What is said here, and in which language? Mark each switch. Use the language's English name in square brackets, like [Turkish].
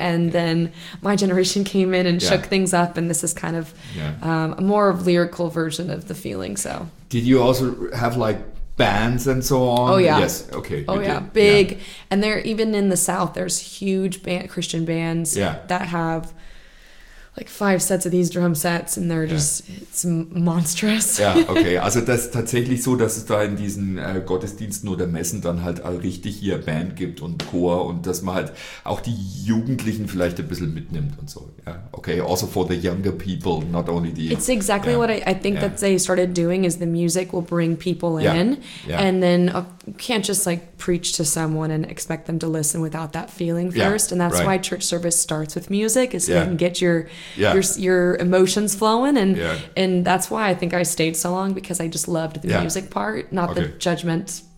[English] And then my generation came in and shook things up, and this is kind of a more of lyrical version of the feeling. So, did you also have like bands and so on? Oh yeah. Yes. Okay. Oh yeah. Big. Yeah. And they're even in the South, there's huge band, Christian bands that have like 5 sets of these drum sets, and they're just, it's monstrous. Yeah. Okay. [German] Also das ist tatsächlich so, dass es da in diesen Gottesdiensten oder Messen dann halt richtig hier Band gibt und Chor, und dass man halt auch die Jugendlichen vielleicht ein bisschen mitnimmt und so. [English] Yeah. Okay. Also for the younger people, not only the... It's exactly what I think that they started doing, is the music will bring people in. Yeah. And then you can't just like preach to someone and expect them to listen without that feeling first. Yeah. And that's why church service starts with music, is you can get your emotions flowing, and that's why I think I stayed so long, because I just loved the music part, not the judgment part.